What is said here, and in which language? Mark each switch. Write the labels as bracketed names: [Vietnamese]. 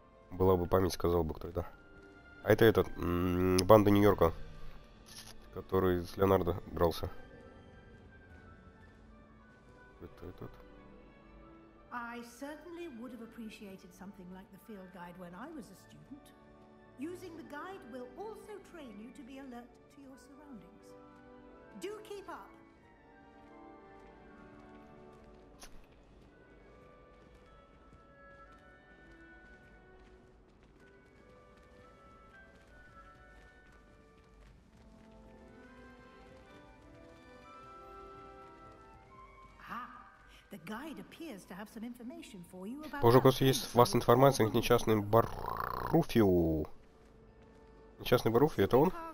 [Russian] Была бы память, сказал бы кто-то. А это этот, банда Нью-Йорка, который с Леонардо дрался. [English] I certainly would have appreciated something like the field guide when I was a student. Using the guide will also train you to be alert to your surroundings. Do keep up. Ah, The guide appears to have some information for you about. [Russian] Похоже, у вас есть вас информация о несчастном Баруфио. Несчастный Баруфио, это он?